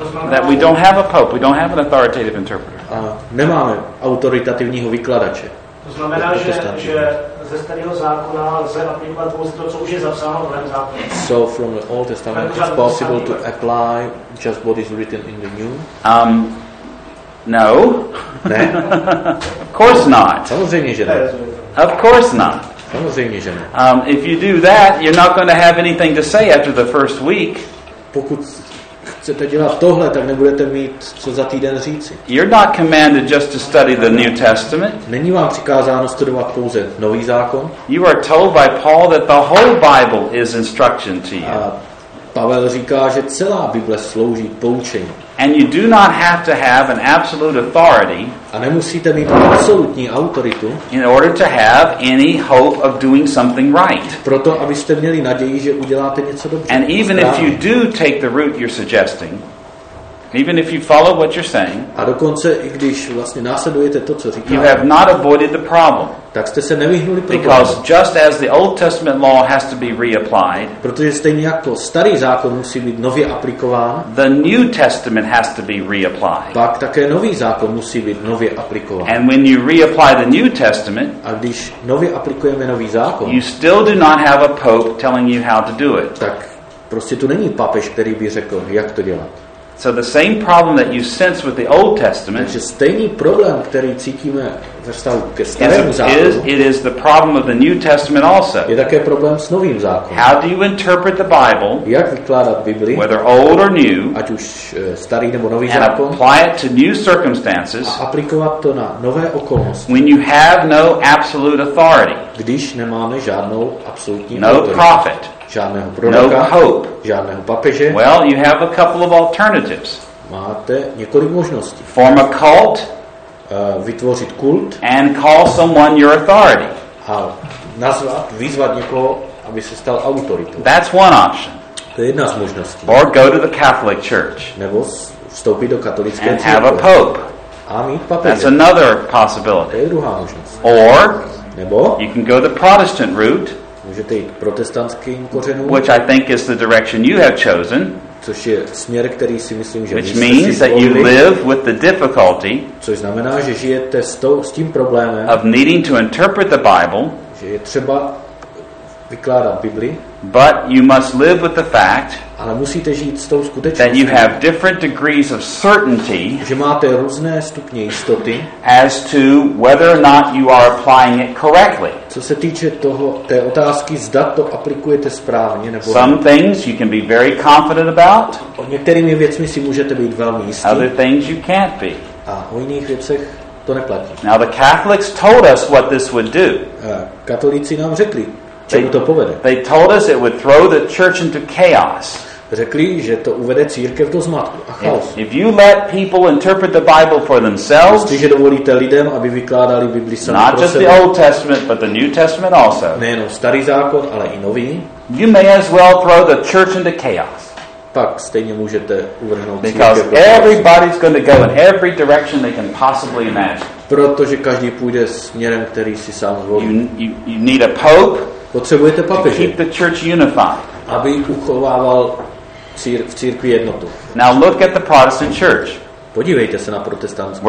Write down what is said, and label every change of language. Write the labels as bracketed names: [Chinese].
[English] That we don't have a pope, we don't have an authoritative interpreter. [Czech] A nemáme autoritativního vykladače. To znamená, že ze starého zákona lze aplikovat pouze to, co už je zapsáno v novém zákoně. [English] So from the Old Testament, it's possible to apply just what is written in the New? No. [Czech] Ne. [English] Of course not. [Czech] Samozřejmě, že ne. [English] Of course not. [Czech] Samozřejmě, že ne. [English] If you do that, you're not going to have anything to say after the first week. [Czech] Pokud chcete dělat tohle, tak nebudete mít co za týden říci. [English] You're not commanded just to study the New Testament. [Czech] Není vám přikázáno studovat pouze Nový zákon. [English] You are told by Paul that the whole Bible is instruction to you. [Czech] A Pavel říká, že celá Bible slouží poučení. [English] And you do not have to have an absolute authority. [Czech] A nemusíte mít absolutní autoritu. [English] In order to have any hope of doing something right. [Czech] Proto abyste měli naději, že uděláte něco dobře. [English] And even if you do take the route you're suggesting, even if you follow what you're saying, [Czech] a dokonce i když vlastně následujete to, co říkáte, [English] you have not avoided the problem. [Czech] Tak jste se nevyhnuli problému. [English] Because just as the Old Testament law has to be reapplied, [Czech] protože stejně jako starý zákon musí být nově aplikován, [English] the New Testament has to be reapplied. [Czech] Pak také nový zákon musí být nově aplikován. [English] And when you reapply the New Testament, [Czech] a když nově aplikujeme nový zákon, [English] you still do not have a pope telling you how to do it. [Czech] Tak prostě tu není papež, který by řekl, jak to dělat. [English] So the same problem that you sense with the Old Testament, [Czech] takže stejný problém, který cítíme ve vztahu ke starému zákonu, [English] it is the problem of the New Testament also. [Czech] Je také problém s novým zákonem. [English] How do you interpret the Bible? [Czech] Jak vykládat Bibli? [English] Whether old or new, [Czech] ať už starý nebo nový [English] and [Czech] zákon, [English] apply it to new circumstances, [Czech] a aplikovat to na nové okolnosti, [English] when you have no absolute authority, [Czech] když nemáme žádnou absolutní [English] no [Czech] autoritu, [English] prophet, [Czech] žádného proroka, [English] no hope, [Czech] žádného papeže. [English] Well, you have a couple of alternatives. [Czech] Máte několik možností. [English] Form a cult, [Czech] vytvořit kult, [English] and call someone your authority. [Czech] nazvat, vyzvat někoho, aby se stal autoritou. [English] That's one option. [Czech] To je jedna z možností. [English] Or go to the Catholic Church. [Czech] Nebo vstoupit do katolické církve. [English] And have a pope. [Czech] A mít papeže. [English] That's another possibility. [Czech] To je druhá možnost. [English] Or [Czech] nebo [English] you can go the Protestant route. [Czech] Můžete jít protestantským kořenům. [English] Which I think is the direction you have chosen. [Czech] Což je směr, který si myslím, že [English] which means that you live with the difficulty, [Czech] což znamená, že žijete s tím problémem, [English] of needing to interpret the Bible, [Czech] že je třeba vykládat Bibli, [English] but you must live with the fact, [Czech] ale musíte žít s tou skutečností, [English] that you have different degrees of certainty, [Czech] že máte různé stupně jistoty, [English] as to whether or not you are applying it correctly. [Czech] Co se týče toho, té otázky, zda to aplikujete správně nebo [English] some things you can be very confident about, [Czech] o některými věcmi si můžete být velmi jistý, [English] other things you can't be. [Czech] A o jiných věcech to neplatí. [English] Now the Catholics told us what this would do. [Czech] Katolíci nám řekli, [English] they told us it would throw the church into chaos. [Czech] Řekli, že to uvede církev do zmatku a chaos. [English] If you let people interpret the Bible for themselves, [Czech] jestliže dovolíte lidem, aby vykládali Bibli sami pro sebe, [English] not just the Old Testament, but the New Testament also, [Czech] nejenom starý zákon, ale i nový, [English] you may as well throw the church into chaos. [Czech] Pak stejně můžete uvrhnout církev do chaosu. [English] Because everybody's going to go in every direction they can possibly imagine. [Czech] Protože každý půjde směrem, který si sám zvolí. [English] You need a pope. [Czech] Potřebujete papeže, [English] keep the church unified, [Czech] aby uchovával v církvi jednotu. [English] Now look at the Protestant church. [Czech] Podívejte se na protestantskou